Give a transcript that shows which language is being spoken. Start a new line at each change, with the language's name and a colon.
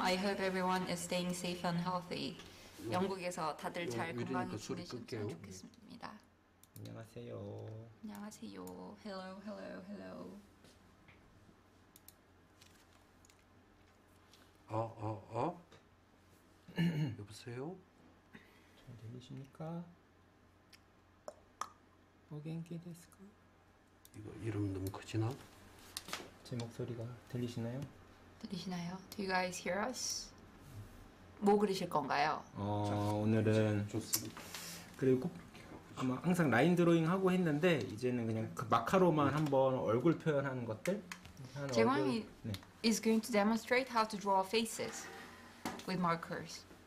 English: I hope everyone is staying safe and healthy.
Korean: 영국에서 다들 잘 건강히 지내셨으면 좋겠습니다. 안녕하세요. 안녕하세요.
English: Hello, hello, hello.
Korean: 여보세요? 잘 들리십니까?
Japanese: 오갱키 데스쿠?
Korean: 이거 이름 너무 크지나? 제 목소리가 들리시나요? 들리시나요?
English: Do you guys hear us?
Korean: 뭐 그리실 건가요? 오늘은 그리고 아마 항상 라인 드로잉 하고 했는데 이제는 그냥 그 마카로만 한번 얼굴 표현하는 것들. 제왕이 네.
English: is going to demonstrate how to draw faces with markers.